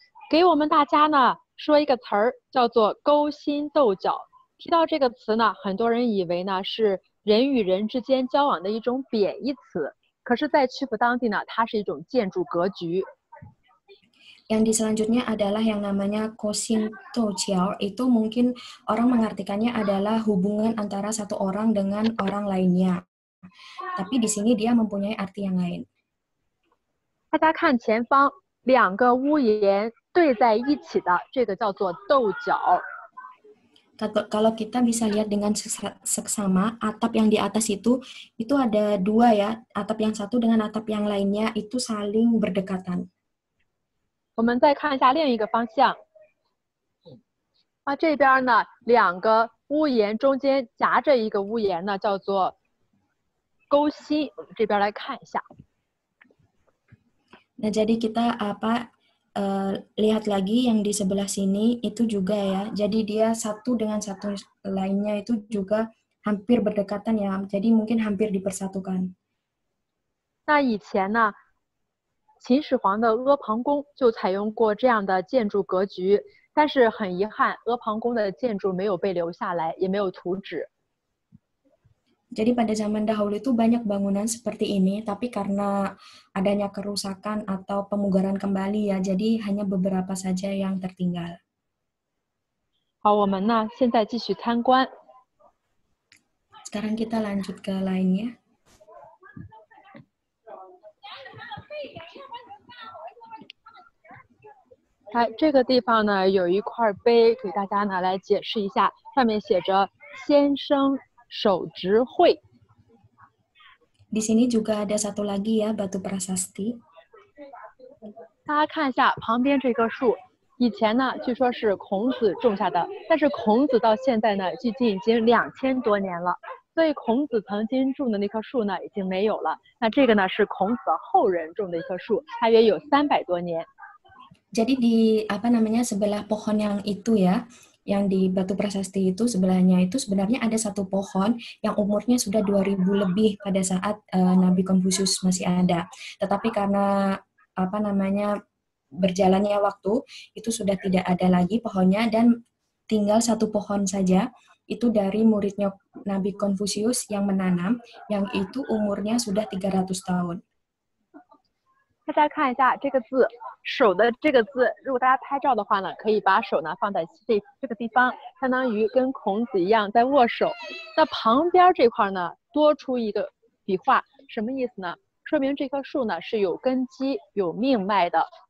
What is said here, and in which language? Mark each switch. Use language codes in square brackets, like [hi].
[zh] 给我们大家呢说一个词儿，叫做勾心斗角。提到这个词呢，很多人以为呢是人与人之间交往的一种贬义词，可是，在曲阜当地呢，它是一种建筑格局。 [id] Yang di selanjutnya adalah yang namanya kosin tociao, itu mungkin orang mengartikannya adalah hubungan antara satu orang dengan orang lainnya. Tapi di sini dia mempunyai arti yang lain. [zh] 大家看前方两个屋檐对在一起的这个叫做斗角。 [id] Kalau kita bisa lihat dengan seksama, atap yang di atas itu ada dua ya, atap yang satu dengan atap yang lainnya itu saling berdekatan. [zh] 我们再看一下另一个方向。这边呢，两个屋檐中间夹着一个屋檐呢，叫做勾心。我们这边来看一下。 [id] Nah, jadi kita apa? Lihat lagi yang di sebelah sini itu juga ya, jadi dia satu dengan satu lainnya itu juga hampir berdekatan ya, jadi mungkin hampir dipersatukan. [zh] 那以前呢，秦始皇的阿房宫就采用过这样的建筑格局，但是很遗憾，阿房宫的建筑没有被留下来，也没有图纸。 [id] Jadi pada zaman dahulu itu banyak bangunan seperti ini, tapi karena adanya kerusakan atau pemugaran kembali ya, jadi hanya beberapa saja yang tertinggal. [zh] 好，我们呢现在继续参观。 [id] Sekarang kita lanjut ke lainnya. [zh] Hai, 这个地方呢有一块碑，给大家呢来解释一下，上面写着“先生”。手执绘。 [id] Di sini juga ada satu lagi ya batu prasasti. [zh] 大家看一下旁边这棵树，以前呢据说是孔子种下的，但是孔子到现在呢距今已经2000多年了，所以孔子曾经种的那棵树呢已经没有了。那这个呢是孔子后人种的一棵树，大约有300多年。 [id] Jadi di apa namanya sebelah pohon yang itu ya. Yang di batu prasasti itu sebelahnya itu sebenarnya ada satu pohon yang umurnya sudah 2000 lebih pada saat Nabi Konfusius masih ada. Tetapi karena apa namanya berjalannya waktu itu sudah tidak ada lagi pohonnya dan tinggal satu pohon saja itu dari muridnya Nabi Konfusius yang menanam yang itu umurnya sudah 300 tahun. [zh] 大家看一下这个字，手的这个字，如果大家拍照的话呢，可以把手呢放在这个地方，相当于跟孔子一样在握手。那旁边这块呢，多出一个笔画，什么意思呢？说明这棵树呢是有根基、有命脉的。